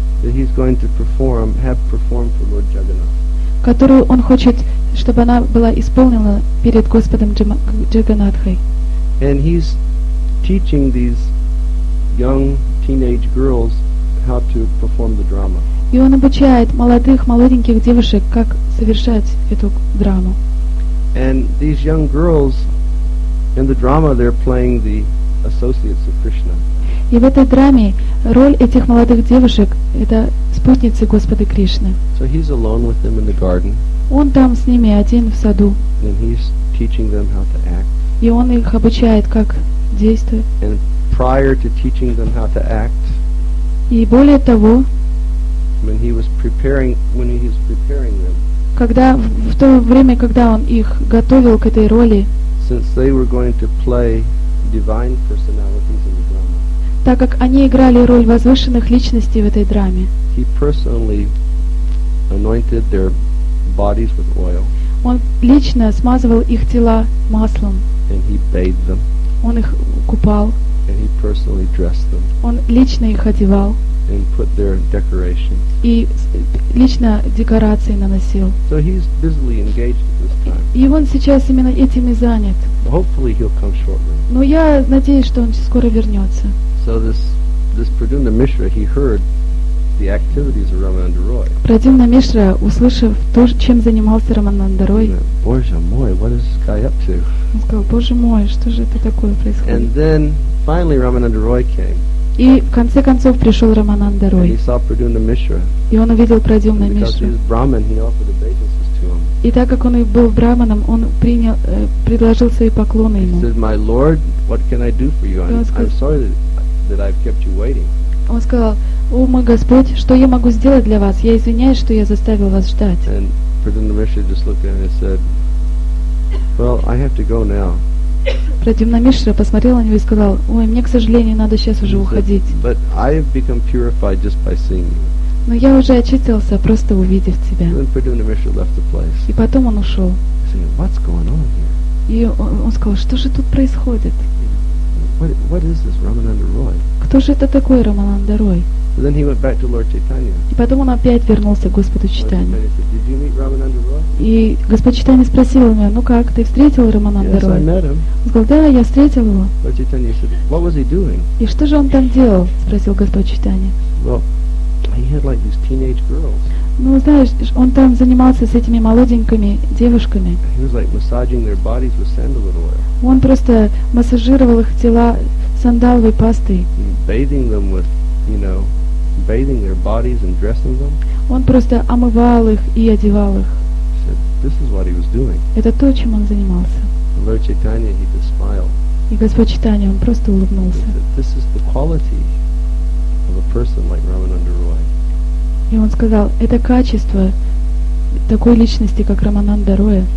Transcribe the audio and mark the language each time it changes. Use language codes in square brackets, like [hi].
[en] That he's going to perform, have performed for Lord Jagannath. [ru] Которую он хочет, чтобы она была исполнена перед Господом Джаганатхой. [en] And he's teaching these young teenage girls how to perform the drama. [ru] И он обучает молодых, молоденьких девушек, как совершать эту драму. [en] And these young girls in the drama they're playing the associates of Krishna. [ru] И в этой драме роль этих молодых девушек — это спутницы Господа Кришны. [en] So he's alone with them in the garden. [ru] Он там с ними один в саду. [en] And he's teaching them how to act. [ru] И он их обучает, как действовать. [en] And prior to teaching them how to act, [ru] и более того, [en] when he was preparing them, [ru] когда, в то время, когда он их готовил к этой роли, [en] since they were going to play divine personalities in the drama, [ru] так как они играли роль возвышенных личностей в этой драме, [en] he personally anointed their bodies with oil. [ru] Он лично смазывал их тела маслом. [en] And he bathed them. [ru] Он их купал. [en] And he personally dressed them. [ru] Он лично их одевал. [en] And put their decorations. [ru] И лично декорации наносил. [en] So he's busily engaged at this time. [ru] И он сейчас именно этим и занят. [en] Hopefully he'll come shortly. [ru] Но я надеюсь, что он скоро вернется. [en] So this Pradyumna Mishra, he heard the activities of Ramananda Roy. [ru] Pradyumna Mishra, услышав то, чем занимался Рамананда Рой, Боже мой, [en] what is this guy up to? [ru] Он сказал, Боже мой, что же это такое происходит? [en] And then finally Ramananda Roy came. [ru] И в конце концов пришел Рамананда Рой. [en] And he saw Pradyumna Mishra. [ru] И он увидел Pradyumna Mishra. [en] Because he was Brahman, he offered obeisances to him. [ru] И так как он и был Брахманом, он принял, предложил свои поклоны ему. [en] He said, my Lord, what can I do for you? I'm sorry that I've kept you waiting. [ru] Он сказал, о мой Господь, что я могу сделать для вас? Я извиняюсь, что я заставил вас ждать. [en] And Pradyumna Mishra just looked at him and said, well, I have to go now. [ru] Pradyumna Mishra посмотрел на него и сказал, ой, мне, к сожалению, надо сейчас уже уходить. [en] But I've become purified just by seeing you. [ru] Но я уже очистился, просто увидев тебя. [en] And Pradyumna Mishra left the place. [ru] И потом он ушел. [en] He said, what's going on here? [ru] И он сказал, что же тут происходит? [en] What is this Ramananda Roy? [ru] Кто же это такой Рамананда Рой? [en] Then he went back to Lord Chaitanya. [ru] И потом он опять вернулся к Господу Чайтанье. [en] Did you meet Ramananda Roy? [ru] И Господь Чайтанье спросил меня, ну как, ты встретил Рамананда Рой? [en] Yes, I met him. [ru] Он сказал, да, я встретил его. [en] Lord Chaitanya said, what was he doing? [ru] И что же он там делал? Спросил Господь Чайтанье. [en] Well, he had like these teenage girls. [ru] Ну знаешь, он там занимался с этими молоденькими девушками. [en] He was like massaging their bodies with sandalwood oil. [ru] Он просто массажировал их тела сандаловой пастой. [en] Bathing them with, you know, bathing their bodies and dressing them. [ru] Он просто омывал их и одевал их. [en] So this is what he was doing. [ru] Это то, чем он занимался. [en] Lord Chaitanya, he just smiled. [ru] И Господь Чайтанья, он просто улыбнулся. [en] This is the quality of a person like Ramananda Roy. [ru] И он сказал, это качество такой личности, как Рамананда Роя.